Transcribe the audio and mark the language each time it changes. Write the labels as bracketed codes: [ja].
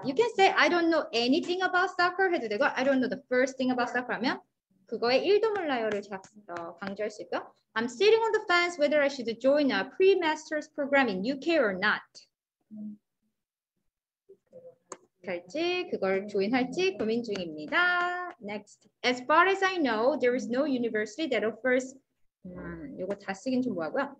[en] You can say I don't know anything about soccer [ko] 해도 되고 [en] I don't know the first thing about soccer [ko] 하면 그거에 1도 몰라요를 강조할 수 있고 [en] I'm sitting on the fence whether I should join a pre-master's program in UK or not. [ko] 할지 그걸 조인할지 고민 중입니다. [en] Next, as far as I know, there is no university that offers [ko] 이거 다 쓰긴 좀 뭐하고요.